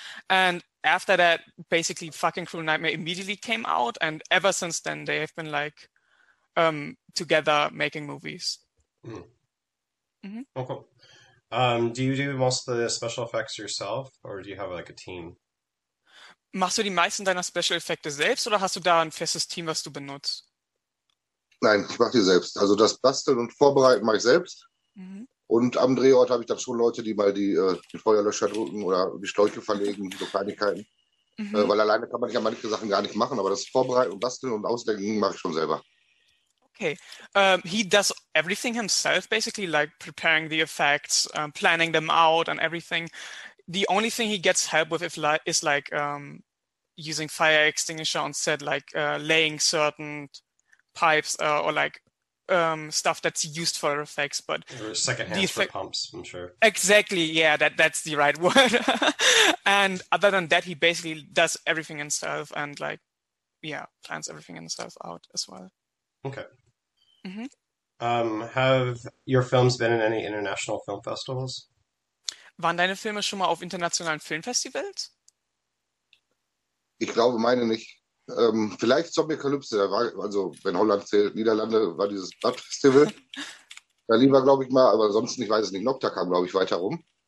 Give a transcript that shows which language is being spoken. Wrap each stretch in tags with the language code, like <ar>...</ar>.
<en>And after that, basically Fucking Cruel Nightmare immediately came out, and ever since then they have been like together making movies. Oh, cool. Do you do most of the special effects yourself, or do you have like a team?</en> <de>Machst du die meisten deiner Special Effekte selbst oder hast du da ein festes Team, was du benutzt? Nein, ich mache die selbst. Also das Basteln und Vorbereiten mache ich selbst. Und am Drehort habe ich dann schon Leute, die mal die Feuerlöscher drücken oder die Schläuche verlegen, so Kleinigkeiten. Weil alleine kann man ja manche Sachen gar nicht machen, aber das Vorbereiten und Basteln und Auslegen mache ich schon selber.</de> <en>Okay. He does everything himself, basically, like preparing the effects, planning them out and everything. The only thing he gets help with if li is like using fire extinguisher on set, like laying certain pipes or like stuff that's used for effects. But Or the secondhand for effect, pumps, I'm sure. exactly, yeah, that's the right word. And other than that, he basically does everything himself and like, yeah, plans everything himself out as well. Okay. Have your films been in any international film festivals?</en> <de>Waren deine Filme schon mal auf internationalen Filmfestivals? Ich glaube, meine nicht. Vielleicht Zombie-Kalypse, da war, also wenn Holland zählt, Niederlande war dieses Blood Festival. Da lieber, glaube ich, mal, aber ansonsten, ich weiß es nicht. Nocta kam, glaube ich, weiter rum.</de>